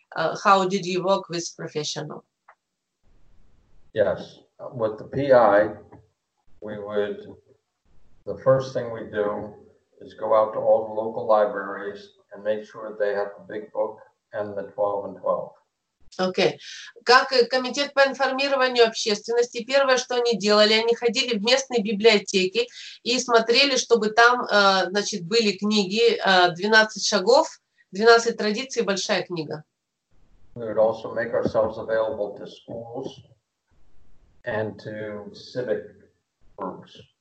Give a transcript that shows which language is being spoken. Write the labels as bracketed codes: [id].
[en] How did you work with professional? Yes, with the PI, the first thing we do is go out to all the local libraries and make sure they have the big book and the 12 and 12. Okay. [ru] Как комитет по информированию общественности, первое, что они делали, они ходили в местные библиотеки и смотрели, чтобы там, значит, были книги 12 шагов, 12 традиций, большая книга. [en] We would also make ourselves available to schools and to civic groups.